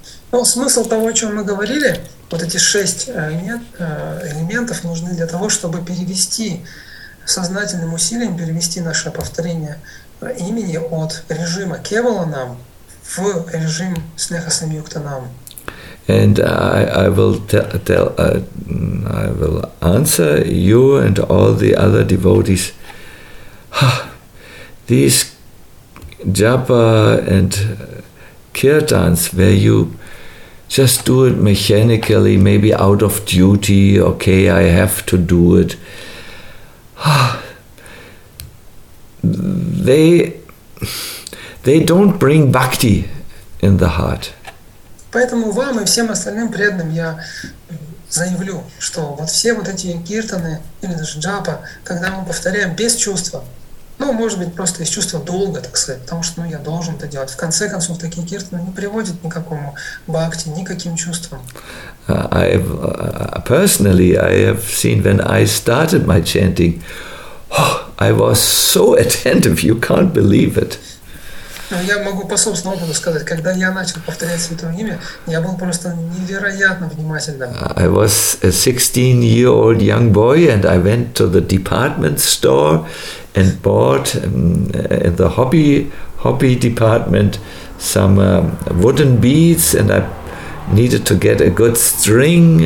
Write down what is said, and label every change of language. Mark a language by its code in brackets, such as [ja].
[ru] Ну, смысл того, о чем мы говорили, вот эти шесть элементов нужны для того, чтобы перевести сознательным усилием, перевести наше повторение имени от режима Кевала Нам в режим Снеха Самьюкта Нам. [en] And I will tell, I will answer you and all the other devotees. These japa and kirtans, where you just do it mechanically, maybe out of duty, okay, I have to do it. They don't bring bhakti in the heart. [ru] Поэтому вам и всем остальным преданным я заявлю, что вот все вот эти киртаны или даже джапа, когда мы повторяем без чувства, ну, может быть, просто из чувства долга, так сказать, потому что, ну, я должен это делать. В конце концов, такие киртаны не приводят никакому бхакти, никаким чувствам. [en] Personally, I have seen when I started my chanting, I was so attentive, you can't believe it. [ru] Я могу по собственному опыту сказать, когда я начал повторять святое имя, я был просто невероятно внимательным. [en] I was a 16-year-old young boy, and I went to the department store and bought in the hobby department some wooden beads, and I needed to get a good string.